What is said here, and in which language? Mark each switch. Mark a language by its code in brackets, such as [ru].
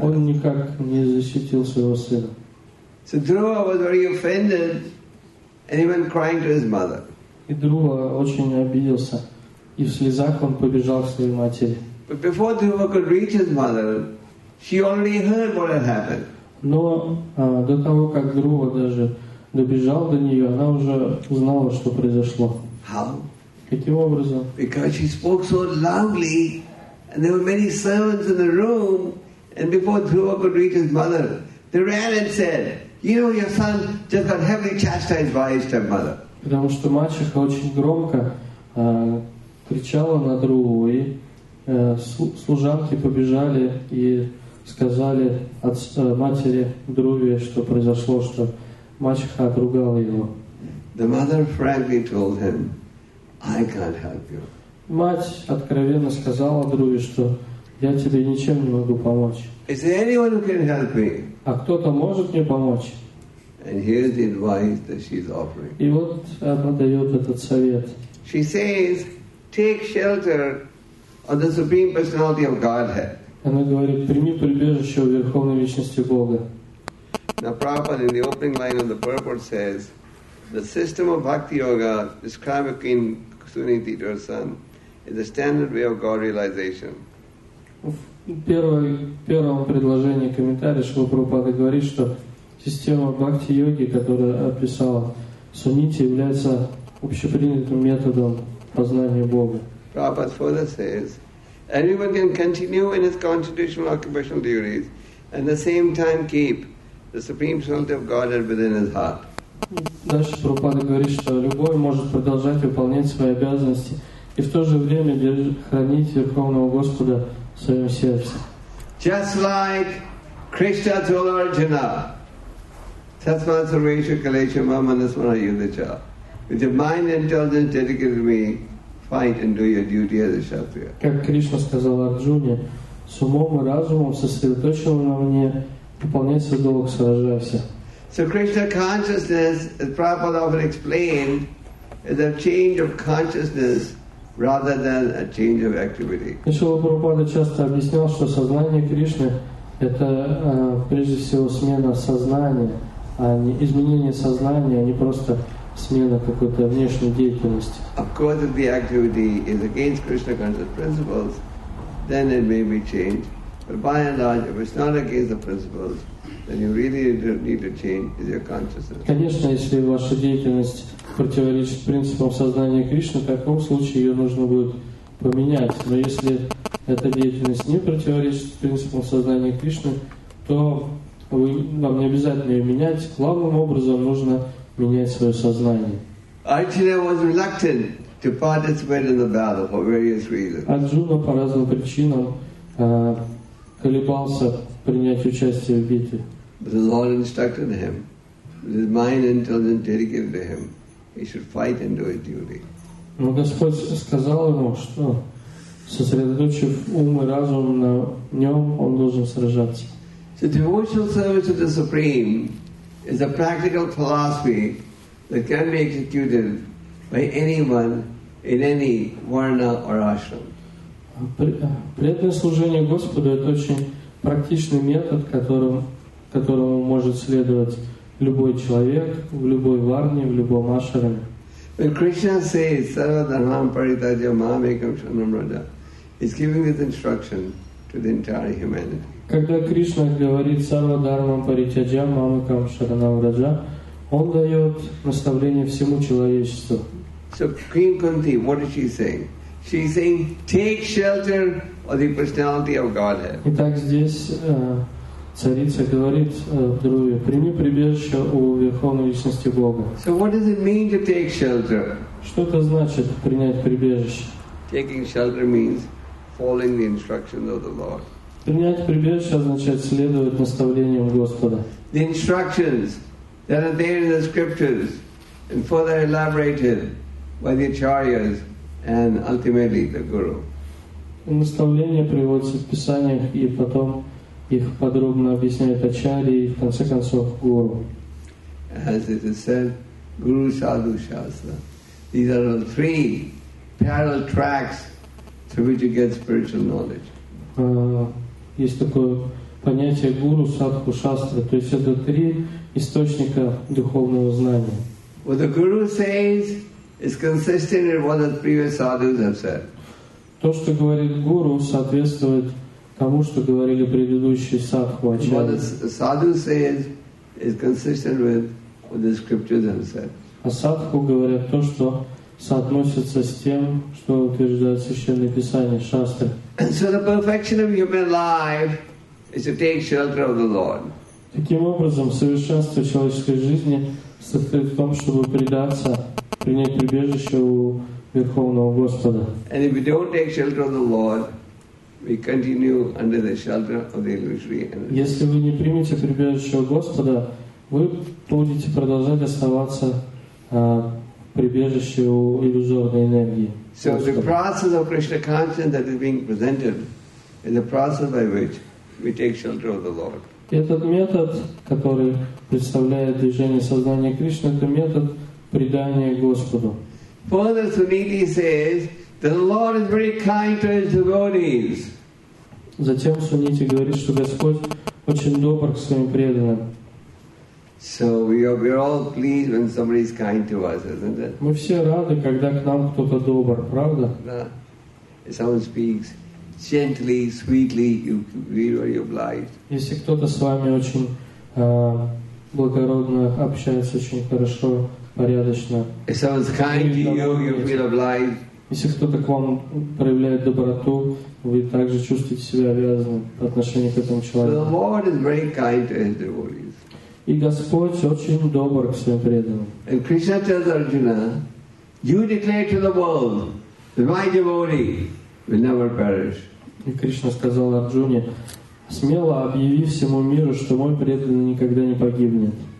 [ru] Он никак не защитил своего сына. [en] So Dhruva was very offended, and he went crying to his mother. [ru] И Друва очень обиделся. И в слезах он побежал к своей матери. [en] But before Dhruva could reach his mother, she already heard what had happened. [ru] Но до того, как Друва даже добежал до нее, она уже узнала, что произошло. [en] How? [ru] Каким образом? [en] Because she spoke so loudly, and there were many servants in the room, and before Dhruva could reach his mother, they ran and said, "You know, your son just got heavily chastised by his stepmother." [ru] Потому что мачеха очень громко кричала на Дрову, и служанки побежали и сказали от матери Друве, что произошло, что мачеха отругала его. [en] The mother frankly told him, "I can't help you." [ru] Мать откровенно сказала Друве, что я тебе ничем не могу помочь. [en] Is there anyone who can help me? [ru] А кто-то может мне помочь? [en] And here's the advice that she's offering. [ru] И вот она дает этот совет. [en] She says, "Take shelter of the Supreme Personality of Godhead." [ru] Она говорит: "Прими прибежище у Верховной Личности Бога." [en] Now, Prabhupada in the opening line of the purport says, "The system of Bhakti Yoga described by Queen Suniti to her son is the standard way of God realization." [ru] В первом предложении комментария Шрила Прабхупада говорит, что система Бхакти Йоги, которую описала Сунити, является общепринятым методом познания Бога. [en] Prabhupada further says, "Anyone can continue in his constitutional occupational duties and at the same time keep the Supreme Personality of Godhead within his heart." [ru] Дальше Прабхупада говорит, что любой может продолжать выполнять свои обязанности и в то же время хранить Верховного Господа в своем сердце. [en] Just like Krishna told Arjuna, [sa] "Tasmat sarvesha kalesha mam manasmara yudhacha." [en] With your mind and intelligence dedicated to me, fight and do your duty as a kshatriya. [ru] Как Кришна сказал Арджуне, с умом и разумом сосредоточенным на мне, выполняй свой долг, сражайся. [en] So Krishna consciousness, as Prabhupada often explained, is a change of consciousness rather than a change of activity. [ru] Шрила Прабхупада часто объяснял, что сознание Кришны это прежде всего смена сознания, а не изменение сознания, а не просто смена какой-то внешней деятельности. [en] Of course, if the activity is against Krishna conscious principles, then it may be changed. But by and large, if it's not against the principles, then you really need to change is your consciousness. [ru] Конечно, если ваша деятельность противоречит принципам сознания Кришны, в таком случае ее нужно будет поменять. Но если эта деятельность не противоречит принципам сознания Кришны, то вам не обязательно ее менять. Главным образом нужно менять свое сознание. [en] Arjuna was reluctant to participate in the battle for various reasons. [ru] Арджуна по разным причинам колебался принять участие в битве. [en] But the Lord instructed him, with his mind and intelligence dedicated to him, he should fight and do his duty. [ru] Но Господь сказал ему, что сосредоточив ум и разум на нем, он должен сражаться. [en] So devotional service to the Supreme is a practical philosophy that can be executed by anyone in any varna or ashram. [ru] Преданное служение Господу это очень практичный метод, которому может следовать любой человек в любой варне, в любом ашраме. [en] When Krishna says [sa] Sarvadharmam Paritajya Mamekam Sharanam Raja, [en] he's giving this instruction to the entire humanity. [ru] Когда Кришна говорит [sa] Сарвадхармам Паритяджам Мамекам Шаранам Раджа, [ru] он дает наставление всему человечеству. [en] So Queen Kunti, what is she saying? She's saying, take shelter of the personality of Godhead. [ru] Итак, здесь царица говорит Друве, прими прибежище у верховной личности Бога. [en] So what does it mean to take shelter? [ru] Что это значит принять прибежище? [en] Taking shelter means following the instructions of the Lord. [ru] Принять прибежище означает следовать наставлениям Господа. [en] The instructions that are there in the scriptures and further elaborated by the acharyas and ultimately the guru. [ru] Наставления приводятся в писаниях и потом их подробно объясняют ачарьи и в конце концов гуру. [en] As it is said, Guru Sadhu Shastra. These are the three parallel tracks through which you get spiritual knowledge. [ru] Есть такое понятие гуру, садху, шастра. То есть это три источника духовного знания. [en] What the guru says is consistent with what the previous sadhus have said. [ru] То, что говорит гуру, соответствует тому, что говорили предыдущие садху, ачарьи. [en] What the sadhu says is consistent with what the scriptures have said. [ru] А садху говорят то, что соотносится с тем, что утверждает Священное Писание, шастры. [en] And so the perfection of human life is to take shelter of the Lord. [ru] Таким образом, совершенство человеческой жизни состоит в том, чтобы предаться, принять прибежище у Верховного Господа. [en] And if we don't take shelter of the Lord, we continue under the shelter of the illusory energy. [ru] Если вы не примете прибежище у Господа, вы будете продолжать оставаться прибежище у иллюзорной энергии. [en] So the process of Krishna consciousness that is being presented is the process by which we take shelter of the Lord. [ru] Этот метод, который представляет движение сознания Кришны, это метод предания Господу. [en] Further, Suniti says the Lord is very kind to his devotees. [ru] Затем Суниti говорит, что Господь очень добр к своим преданным. [en] So we're all pleased when somebody is kind to us, isn't it? [ru] Мы все рады, когда к нам кто-то добр, правда? Да. [en] Someone speaks gently, sweetly, you're very obliged. [ru] Если кто-то с вами очень благородно общается, очень хорошо, порядочно. [en] If someone's kind to you, you feel obliged. [ru] Если кто-то к вам проявляет доброту, вы также чувствуете себя обязанным по отношению к этому человеку. [en] So the Lord is very kind to his devotees. [ru] И Господь очень добр к своим преданным. [en] And Krishna tells Arjuna, you declare to the world that my devotee will never perish. [ru] И Кришна сказал Арджуне, смело объяви всему миру, что мой преданный никогда не погибнет.